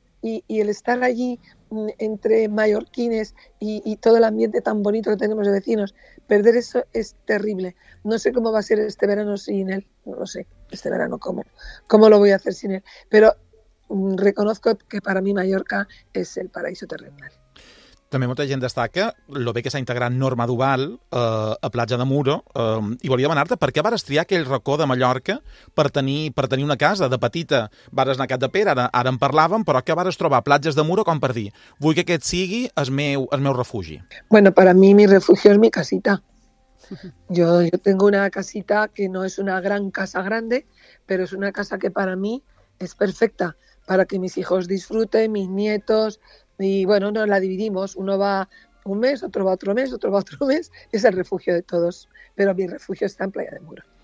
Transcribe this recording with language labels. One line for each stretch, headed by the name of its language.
Spanish: Y el estar allí entre mallorquines y todo el ambiente tan bonito que tenemos de vecinos, perder eso es terrible. No sé cómo va a ser este verano sin él, no lo sé, este verano cómo lo voy a hacer sin él. Pero reconozco que para mí Mallorca es el paraíso terrenal.
Catalan: També molta gent destaca lo bé que s'ha integrat Norma Duval a Platja de Muro i volia demanar-te per què vas triar aquell racó de Mallorca per tenir una casa de petita. Vas anar a Cap de Pere, ara en parlàvem, però què vas trobar a Platges de Muro com per dir vull que aquest sigui el meu refugi?
Spanish: Bueno, para mí mi refugio es mi casita. Yo tengo una casita que no es una gran casa grande, pero es una casa que para mí es perfecta para que mis hijos disfruten, mis nietos. Y bueno, nos la dividimos, uno va un mes, otro va otro mes, otro va otro mes, es el refugio de todos, pero mi refugio está en Playa de Muro.